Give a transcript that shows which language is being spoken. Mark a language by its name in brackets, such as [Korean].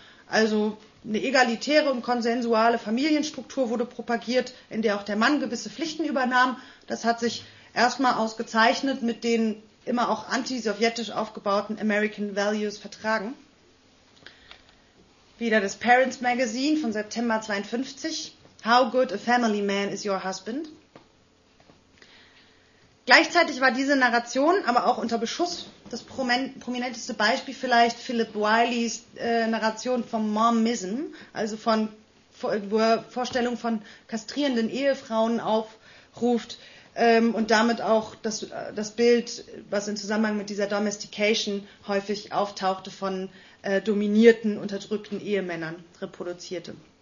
[German] Also eine egalitäre und konsensuale Familienstruktur wurde propagiert, in der auch der Mann gewisse Pflichten übernahm. Das hat sich erstmal ausgezeichnet mit den immer auch anti-sowjetisch aufgebauten American Values vertragen. Wieder das Parents Magazine von September 52. [English] How good a family man is your husband? [German] Gleichzeitig war diese Narration aber auch unter Beschuss. Das prominenteste Beispiel vielleicht Philip Wileys Narration vom Momism, also von, wo er Vorstellungen von kastrierenden Ehefrauen aufruft, und damit auch das Bild, was im Zusammenhang mit dieser Domestication häufig auftauchte, von dominierten, unterdrückten Ehemännern reproduzierte.